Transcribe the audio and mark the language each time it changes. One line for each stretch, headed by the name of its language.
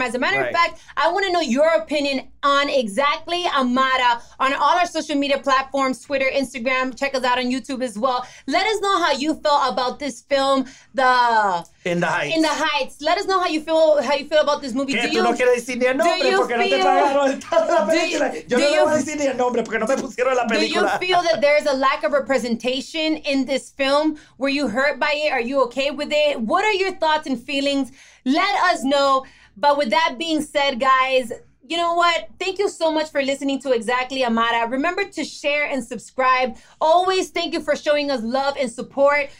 English: As a matter of fact, I want to know your opinion on exactly Amara on all our social media platforms, Twitter, Instagram. Check us out on YouTube as well. Let us know how you feel about this film, In the Heights. Let us know how you feel about this movie. Do you no quiero decir ni el nombre porque feel, no te trajeron la película.
Spanish: Yo no voy a decir ni el nombre porque no me pusieron la película.
English: Do you feel that there's a lack of representation in this film? Were you hurt by it? Are you okay with it? What are your thoughts and feelings? Let us know. But with that being said, guys, you know what? Thank you so much for listening to Exactly Amara. Remember to share and subscribe. Always thank you for showing us love and support.